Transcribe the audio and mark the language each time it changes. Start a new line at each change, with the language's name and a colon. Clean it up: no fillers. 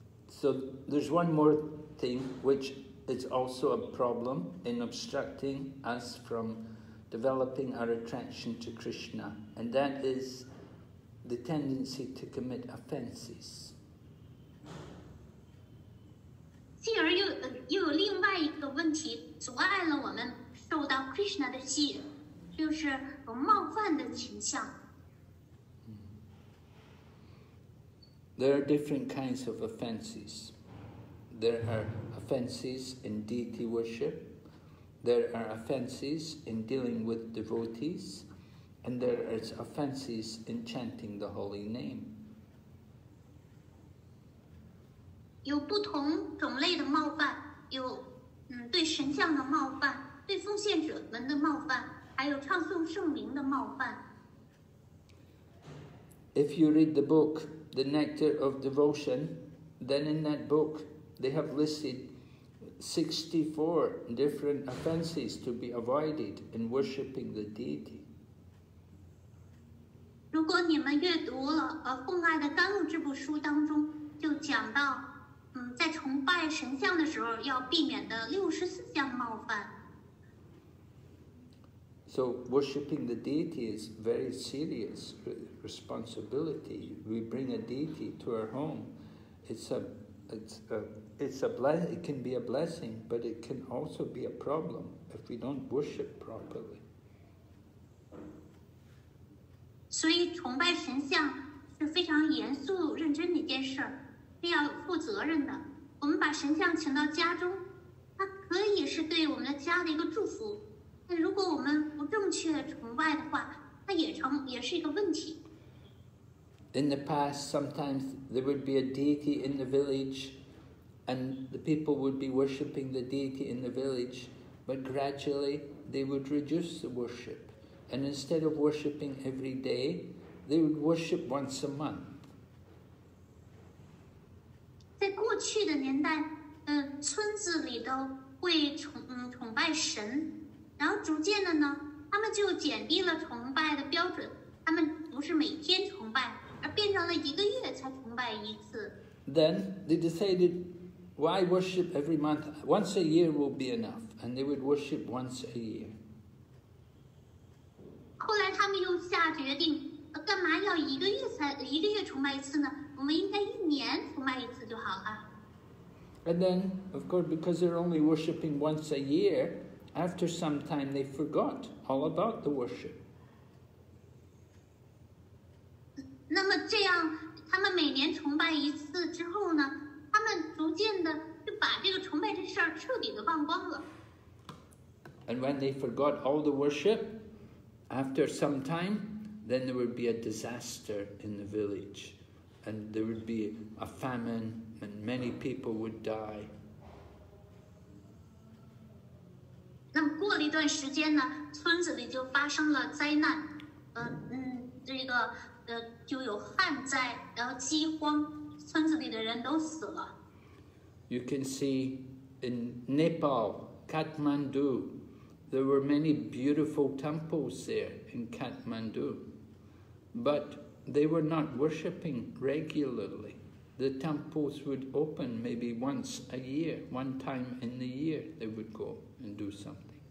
English: So there's one more thing which is also a problem in obstructing us from developing our attraction to Krishna, and that is the tendency to commit offenses.
Chinese: 继而又有另外一个问题阻碍了我们受到 Krishna 的吸引，就是有冒犯的倾向。
English: There are different kinds of offenses. There are offenses in deity worship. There are offenses in dealing with devotees, and there are offenses in chanting the holy name.
Chinese: 有不同种类的冒犯，有对神像的冒犯，对奉献者们的冒犯，还有唱诵圣名的冒犯。
English: If you read the book, The Nectar of Devotion, then in that book, they have listed 64 different offenses to be avoided in worshipping the deity.
Chinese: 如果你们阅读了《奉爱的甘露》这部书当中，就讲到在崇拜神像的时候要避免的64项冒犯。
English: So worshipping the deity is very serious responsibility. We bring a deity to our home. It can be a blessing, but it can also be a problem if we don't worship properly.
Chinese: 所以崇拜神像是非常严肃认真的一件事，是要负责任的。我们把神像请到家中，它可以是对我们的家的一个祝福，但如果我们不正确崇拜的话，它也是一个问题。
English: In the past, sometimes there would be a deity in the village, and the people would be worshipping the deity in the village, but gradually they would reduce the worship. And instead of worshipping every day, they would worship once a month.
Chinese: 在过去的年代，村子里都会崇拜神，然后逐渐的呢，他们就减低了崇拜的标准，他们不是每天崇拜。而变成了一个月才崇拜一次。
English: Then they decided, why worship every month? Once a year will be enough, and they would worship once a year.
Chinese: 后来他们又下决定，干嘛要一个月崇拜一次呢？我们应该一年崇拜一次就好了。
English: And then, of course, because they're only worshiping once a year, after some time they forgot all about the worship.
Chinese: 那么这样，他们每年崇拜一次之后呢，他们逐渐的就把这个崇拜这事儿彻底的忘光了。
English: And when they forgot all the worship, after some time, then there would be a disaster in the village, and there would be a famine, and many people would die.
Chinese: 那么过了一段时间呢，村子里就发生了灾难，这个。就有旱灾，然后饥荒，村子里的人都死了。
English: You can see in Nepal, Kathmandu, there were many beautiful temples there in Kathmandu, but they were not worshipping regularly. The temples would open maybe once a year, one time in the year, they would go and do something.